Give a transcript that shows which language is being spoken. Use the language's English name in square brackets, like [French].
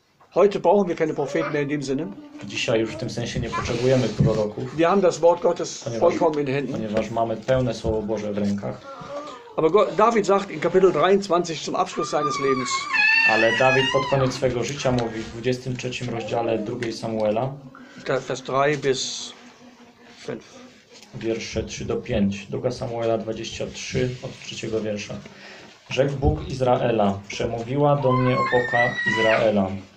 [German] Heute brauchen wir keine Propheten mehr in dem Sinne. [Polish] Dzisiaj już w tym sensie nie potrzebujemy proroków. [German] Wir haben das Wort Gottes vollkommen in Händen. [Polish] Ponieważ mamy pełne Słowo Boże w rękach. [German] Aber David sagt in Kapitel 23 zum Abschluss seines Lebens. [Polish] Ale David pod koniec swojego życia mówi w 23 rozdziale 2 Samuela. [German] Vers 3 bis 5. [Polish] Wiersze 3 do 5. 2 Samuela 23 od 3 wiersza. Rzekł Bóg Izraela, przemówiła do mnie opoka Izraela.